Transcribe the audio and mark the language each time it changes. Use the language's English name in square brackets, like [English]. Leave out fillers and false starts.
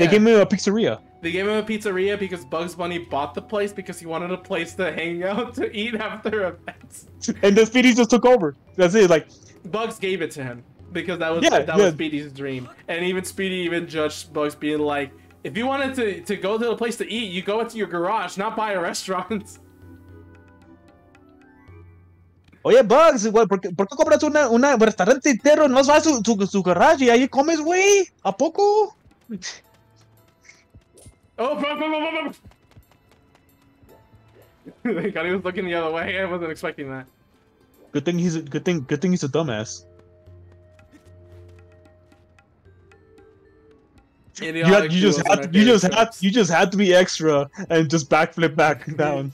[English] They gave him a pizzeria because Bugs Bunny bought the place because he wanted a place to hang out to eat after events. And the Speedy just took over. That's it, like Bugs gave it to him. Because that was Speedy's dream. And even Speedy even judged Bugs being like, if you wanted to go to a place to eat, you go into your garage, not by a restaurant. Oh yeah, [Spanish] Bugs, ¿por qué compras una restaurante entero? ¿No vas a su garage y ahí comes, güey? ¿A poco? [English] Oh, God, he was looking the other way. I wasn't expecting that. Good thing he's a dumbass. You just had to be extra and just backflip back down.